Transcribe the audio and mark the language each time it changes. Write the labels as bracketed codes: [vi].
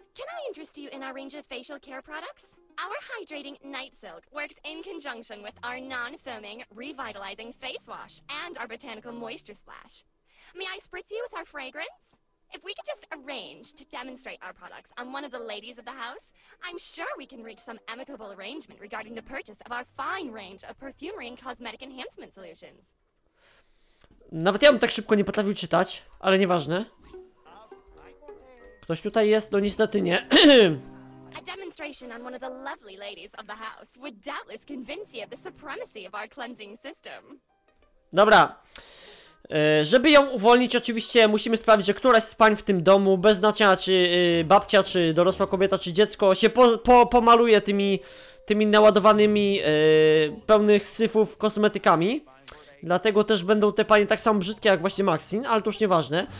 [en] Can I interest you in our range of facial care products? Our hydrating night silk works in conjunction with our non-foaming, revitalizing face wash and our botanical moisture splash. May I spritz you with our fragrance? If we could just arrange to demonstrate our products on one of the ladies of the house, I'm sure we can reach some amicable arrangement regarding the purchase of our fine range of perfumery and cosmetic enhancement solutions. [pl] Nawet ja bym tak szybko nie potrafił czytać, ale nieważne. Ktoś tutaj jest? No niestety nie. [en] A demonstration on one of the lovely ladies of the house would doubtless convince you of the supremacy of our cleansing system. [pl] Dobra. Żeby ją uwolnić, oczywiście musimy sprawić, że któraś z pań w tym domu, bez znaczenia czy babcia, czy dorosła kobieta, czy dziecko, się pomaluje tymi naładowanymi pełnych syfów kosmetykami. Dlatego też będą te panie tak samo brzydkie jak właśnie Maxine, ale to już nieważne.